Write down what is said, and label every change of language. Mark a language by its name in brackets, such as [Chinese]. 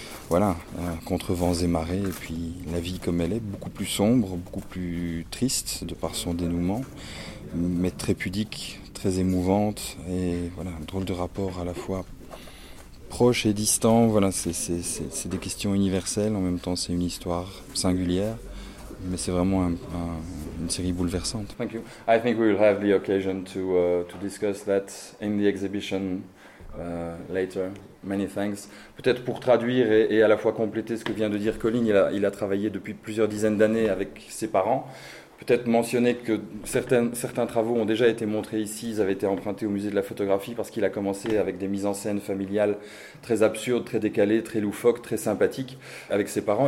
[French] Voilà, contre vents et marées, et puis la vie comme elle est, beaucoup plus sombre, beaucoup plus triste de par son dénouement, mais très pudique, très émouvante, et voilà, un drôle de rapport à la fois proche et distant. Voilà, c'est des questions universelles, en même temps c'est une histoire singulière, mais c'est vraiment une série bouleversante. [English] Thank you. I think we will have the occasion to discuss that in the exhibition later. Many thanks. [French] Peut-être pour traduire et à la fois compléter ce que vient de dire Colin, il a travaillé depuis plusieurs dizaines d'années avec ses parents. Peut-être mentionner que certains travaux ont déjà été montrés ici, ils avaient été empruntés au musée de la photographie parce qu'il a commencé avec des mises en scène familiales très absurdes, très décalées, très loufoques, très sympathiques avec ses parents.